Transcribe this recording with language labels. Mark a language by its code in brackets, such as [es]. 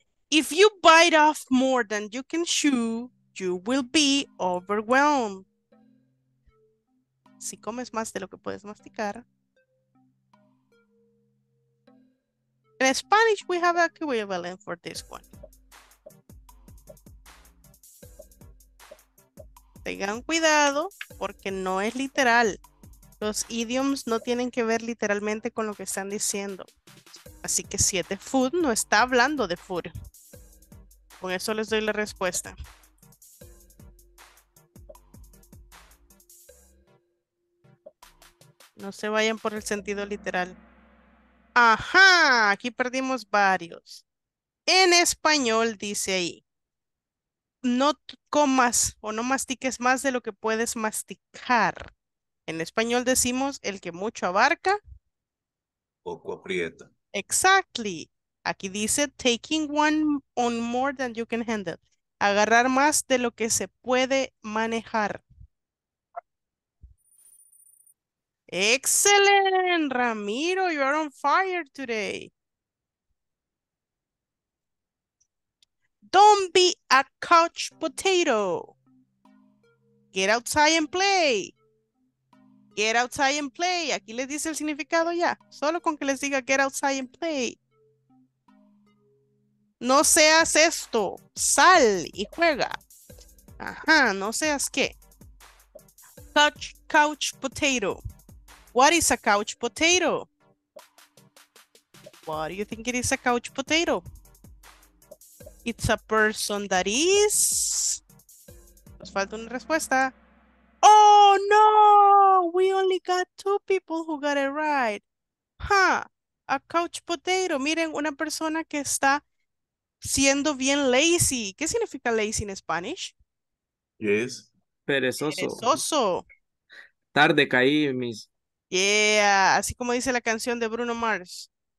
[en] If you bite off more than you can chew, you will be overwhelmed. [es] Si comes más de lo que puedes masticar. [en] In Spanish, we have an equivalent for this one. [es] Tengan cuidado, porque no es literal. Los idioms no tienen que ver literalmente con lo que están diciendo. Así que si es de food, no está hablando de food. Con eso les doy la respuesta. No se vayan por el sentido literal. ¡Ajá! Aquí perdimos varios. En español dice ahí. No comas o no mastiques más de lo que puedes masticar. En español decimos el que mucho abarca. Poco aprieta. [en] Exactly. [es] Aquí dice, [en] taking one on more than you can handle. [es] Agarrar más de lo que se puede manejar. Excelente, [en] Ramiro. You are on fire today. Don't be a couch potato. Get outside and play. Get outside and play. [es] Aquí les dice el significado ya. Solo con que les diga [en] get outside and play. [es] No seas esto. Sal y juega. Ajá, no seas qué. [en] Couch potato. What is a couch potato? What do you think it is, a couch potato? It's a person that is... [es] Nos falta una respuesta. [en] Oh, no! We only got two people who got it right. Huh, a couch potato. [es] Miren, una persona que está siendo bien lazy. ¿Qué significa lazy en Spanish? [en] Yes. [es] Perezoso. Perezoso. Tarde caí, mis... [en] Yeah, [es] así como dice la canción de Bruno Mars.